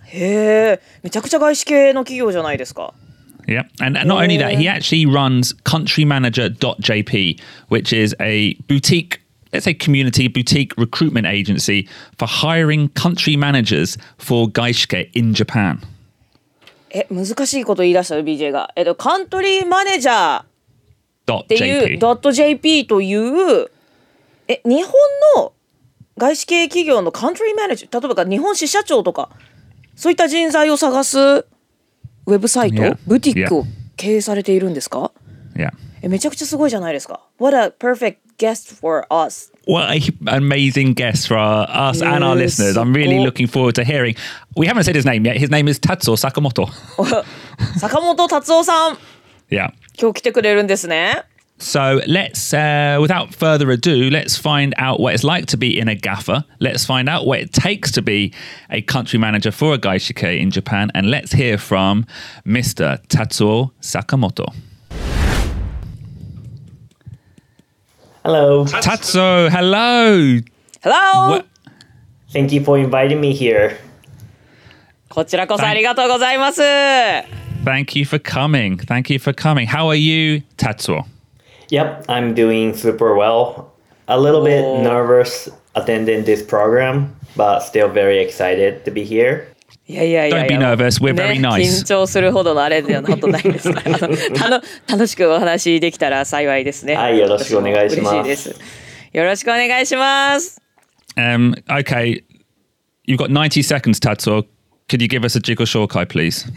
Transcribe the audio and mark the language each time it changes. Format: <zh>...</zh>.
<ja>へえ、めちゃくちゃ外資系の企業じゃないですか。</ja> <en>Yeah, and not only that, he actually runs countrymanager.jp, which is a boutique, let's say community boutique recruitment agency for hiring country managers for Gaishke in Japan.</en> <ja>難しいこと言い出したよ、BJ が。カントリーマネージャー .jp っていう .jp という日本の外資系企業のカントリーマネージャー、例えば日本支社長とか、そういった人材を探すウェブサイト、 yeah. ブティックを経営されているんですか、 yeah. めちゃくちゃすごいじゃないですか</ja> <en>What a perfect guest for us What an amazing guest for us and our listeners I'm really looking forward to hearing We haven't said his name yet His name is Tatsuo Sakamoto</en> <ja>Sakamoto Tatsuo さん、 yeah. 今日来てくれるんですね</ja> <en>So let's, without further ado, let's find out what it's like to be in a gaffer. Let's find out what it takes to be a country manager for a gaishike in Japan. And let's hear from Mr. Tatsuo Sakamoto. Hello. Tatsuo, hello. Hello. Thank you for inviting me here.</en> <ja>こちらこそありがとうございます。</ja> <en>Thank you for coming. Thank you for coming. How are you, Tatsuo? Yep, I'm doing super well. A little bit nervous attending this program, but still very excited to be here. Yeah. Don't be nervous, we're very nice.</en> <ja>緊張するほどのあれではほとんどないです。楽しくお話できたら幸いですね。はい、よろしくお願いします。嬉しいです。よろしくお願いします。</ja> <en>Okay, you've got 90 seconds, Tatsuo. Could you give us a 自己紹介, please?</en>